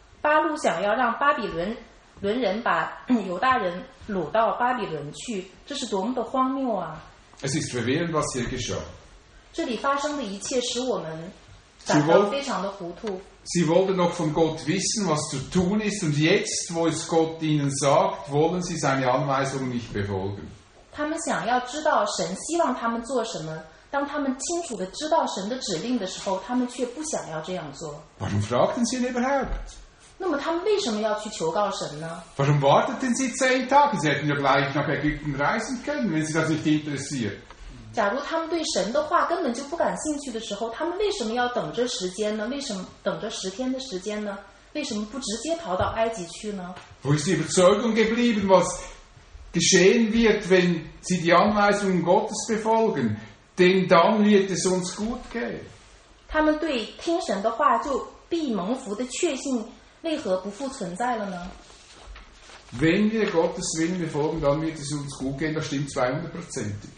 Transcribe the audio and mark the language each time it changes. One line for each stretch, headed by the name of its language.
Chinese: 巴路想要让巴比伦人把犹大人掳到巴比伦去，这是多么的荒谬啊！
German: Es ist verwirrend, was hier geschah.
Chinese: 这里发生的一切使我们
German: Sie wollten noch von Gott wissen, was zu tun ist, und jetzt, wo es Gott ihnen sagt, wollen sie seine Anweisungen nicht befolgen. Warum fragten sie ihn überhaupt?
Chinese: 那么他们为什么要去求告神呢?
German: Warum warteten sie 10 Tage? Sie hätten ja gleich nach Ägypten reisen können, wenn sie das nicht interessiert.
Chinese: 假如他们对神的话根本就不感兴趣的时候，他们为什么要等这10天呢？为什么等这10天的时间呢？为什么不直接逃到埃及去呢？
German: Wo ist die Überzeugung geblieben, was geschehen wird, wenn sie die Anweisungen Gottes befolgen? Denn dann wird es uns gut gehen.
Chinese: 他们对听神的话就必蒙福的确信。为何不复存在了呢?
German: Wenn wir Gottes Willen befolgen, dann wird es uns gut gehen, das stimmt 200%ig.